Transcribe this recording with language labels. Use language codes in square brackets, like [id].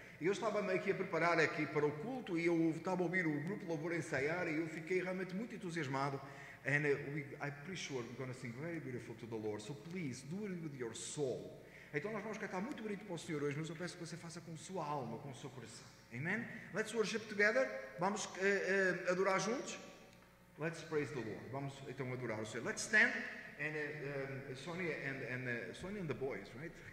[pt] Eu estava meio que a preparar aqui para o culto e eu estava a ouvir o grupo louvor ensaiar e eu fiquei realmente muito entusiasmado. [en] And I'm pretty sure we're going to sing very beautiful to the Lord. So please, do it with your soul. [pt] Então nós vamos cantar muito bonito para o Senhor hoje, mas eu peço que você faça com sua alma, com o seu coração. [en] Amen? Let's worship together. [pt] Vamos adorar juntos? [en] Let's praise the Lord. [pt] Vamos então adorar o Senhor. [en] Let's stand And Sonia and the boys, right?